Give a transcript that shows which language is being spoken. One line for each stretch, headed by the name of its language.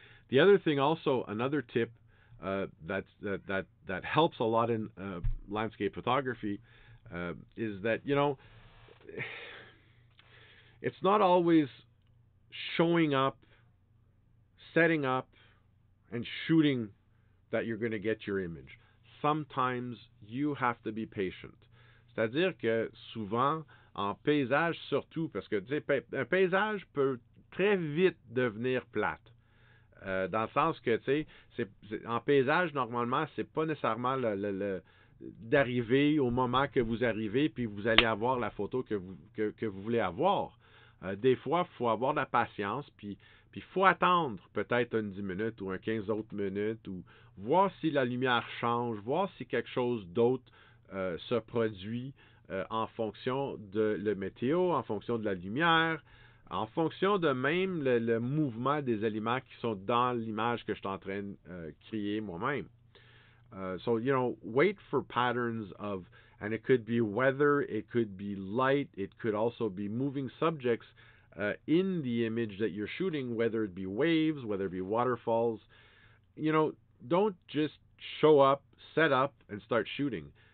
English: The other thing also, another tip, that helps a lot in landscape photography is that, you know, it's not always showing up, setting up, and shooting that you're going to get your image. Sometimes you have to be patient.
French: C'est-à-dire que souvent, en paysage surtout, parce que tu sais, un paysage peut très vite devenir plate. Dans le sens que, tu sais, en paysage, normalement, c'est pas nécessairement le d'arriver au moment que vous arrivez, puis vous allez avoir la photo que vous voulez avoir. Des fois, il faut avoir de la patience, puis il faut attendre peut-être une 10 minutes ou un 15 autres minutes, ou voir si la lumière change, voir si quelque chose d'autre se produit en fonction de la météo, en fonction de la lumière, en fonction de même le mouvement des éléments qui sont dans l'image que je suis en train de créer moi-même.
English: So, you know, wait for patterns of, and it could be weather, it could be light, it could also be moving subjects in the image that you're shooting, whether it be waves, whether it be waterfalls. You know, don't just show up, set up, and start shooting.